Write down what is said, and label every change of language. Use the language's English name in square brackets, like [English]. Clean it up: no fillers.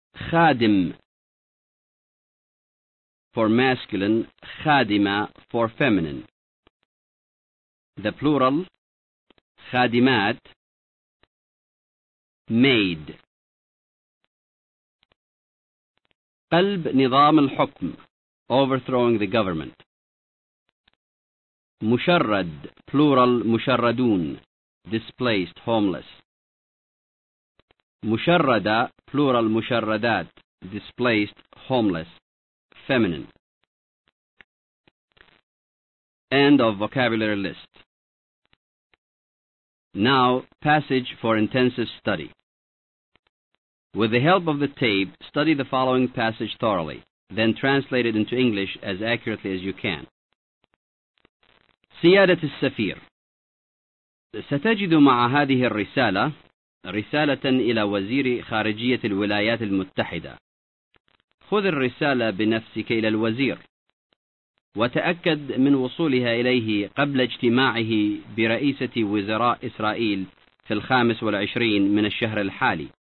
[English] خادم For masculine خادمة for feminine The plural خادمات Maid. [Arabic] قلب نظام الحكم [English] Overthrowing the government. مشرد Plural مشردون Displaced, homeless. مشردة Plural مشردات Displaced, homeless. Feminine. End of vocabulary list. Now, passage for intensive study. With the help of the tape, study the following passage thoroughly, then translate it into English as accurately as you can. [Arabic] سيادة السفير ستجد مع هذه الرسالة رسالة إلى وزير خارجية الولايات المتحدة. خذ الرسالة بنفسك إلى الوزير وتأكد من وصولها إليه قبل اجتماعه برئيسة وزراء إسرائيل في 25 من الشهر الحالي.